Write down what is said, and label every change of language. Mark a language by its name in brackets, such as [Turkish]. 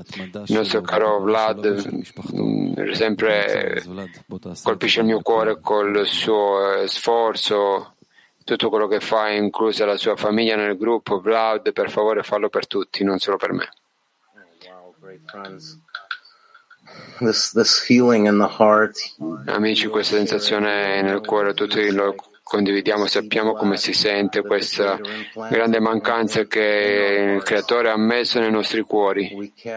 [Italian] Il nostro caro Vlad sempre colpisce il mio cuore col suo sforzo, tutto quello che fa, inclusa la sua famiglia nel gruppo. Vlad, per favore fallo per tutti, non solo per me. [English] This healing in the heart. [Italian] Amici, questa sensazione nel cuore tutti lo condividiamo, sappiamo come si sente questa grande mancanza che il Creatore ha messo nei nostri cuori.